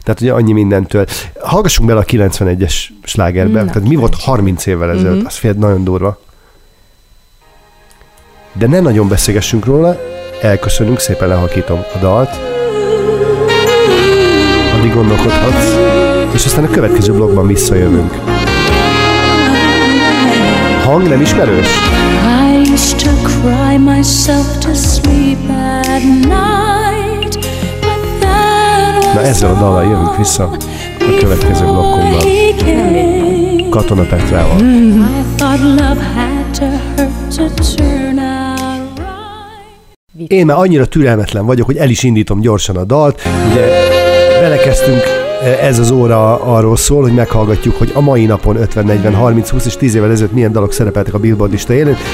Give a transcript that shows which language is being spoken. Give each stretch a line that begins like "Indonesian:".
Hungarian: Tehát ugye annyi mindentől. Hallgassunk bele a 91-es slágerbe, tehát mi volt 30 évvel ezelőtt, az fél nagyon durva. De ne nagyon beszélgessünk róla, elköszönünk, szépen lehakítom a dalt. Addig gondolkodhatsz, és aztán a következő blogban visszajövünk. Hang nem ismerős?
English: Cry myself to sleep at night, but that was.
Hungarian: Na ezzel a dallal jövünk vissza a következő blokkomban. Katona Petrával. Én már annyira türelmetlen vagyok, hogy el is indítom gyorsan a dalt. Ugye belekezdtünk, ez az óra arról szól, hogy meghallgatjuk, hogy a mai napon 50, 40, 30, 20 és 10 évvel ezelőtt milyen dalok szerepeltek a Billboard lista élén.